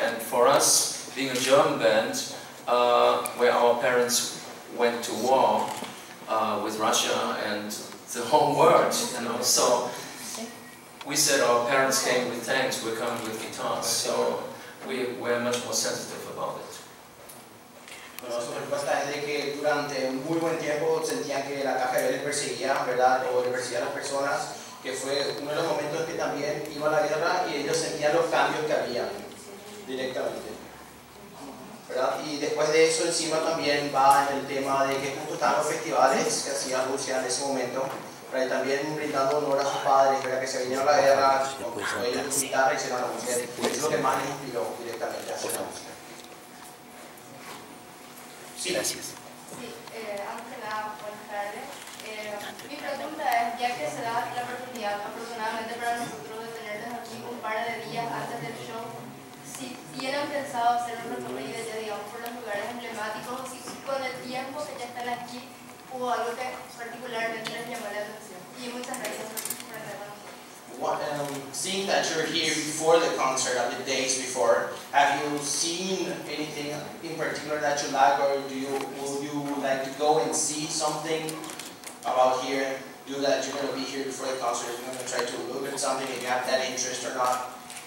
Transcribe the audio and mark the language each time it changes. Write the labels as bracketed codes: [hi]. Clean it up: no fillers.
[en] And for us, being a German band, where our parents went to war with Russia and the whole world, you know, so we said our parents came with tanks, we're coming with guitars, so we were much more sensitive about it. [es] Bueno, su respuesta es de que durante un muy buen tiempo sentían que la caja les perseguía, ¿verdad? O les perseguía a las personas, que fue uno de los momentos que también iba a la guerra y ellos sentían los cambios que había directamente. ¿Verdad? Y después de eso encima también va en el tema de que justo estaban los festivales que hacía Rusia en ese momento, pero también brindando honor a sus padres, ¿verdad? Que se vinieron a la guerra, con ellos su guitarra y se van a la música. Es lo que más les inspiró directamente a hacer la música. Sí. Gracias. Sí, antes de nada, buenas tardes. Mi pregunta es, ya que se da la oportunidad afortunadamente para nosotros de tenerles aquí un par de días antes del show, si tienen pensado hacer un recorrido ya digamos por los lugares emblemáticos, si con el tiempo que ya están aquí hubo algo que particularmente les llamó la atención. Y muchas gracias por estar con nosotros. [en] Seeing that you're here before the concert, the days before, have you seen anything in particular that you like, or would you like to go and see something about here, do that you're going to be here before the concert, you're going to try to look at something if you have that interest or not?